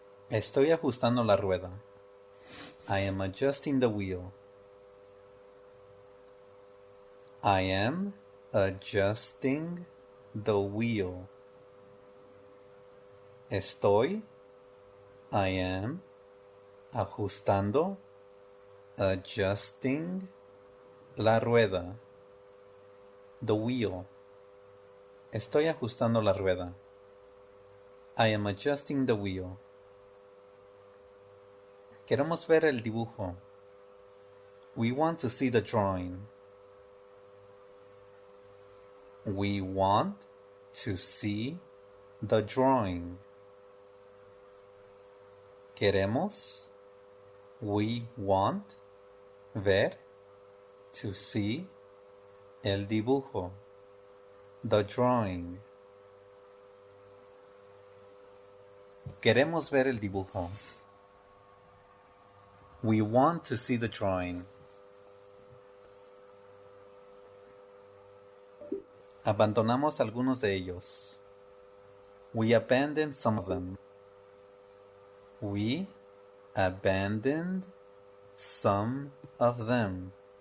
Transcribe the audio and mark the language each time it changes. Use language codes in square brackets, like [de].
[es] Estoy ajustando la rueda. [en] I am adjusting the wheel. I am adjusting the wheel. [es] Estoy, [en] I am, [es] ajustando, [en] adjusting, [es] la rueda, [en] the wheel. [es] Estoy ajustando la rueda. [en] I am adjusting the wheel. [es] Queremos ver el dibujo. [en] We want to see the drawing. We want to see the drawing. [es] Queremos, [en] we want, [es] ver, [en] to see, [es] el dibujo, [en] the drawing. [es] Queremos ver el dibujo. [en] We want to see the drawing. [es] Abandonamos algunos de ellos. [en] We abandon some of them. We abandoned some of them.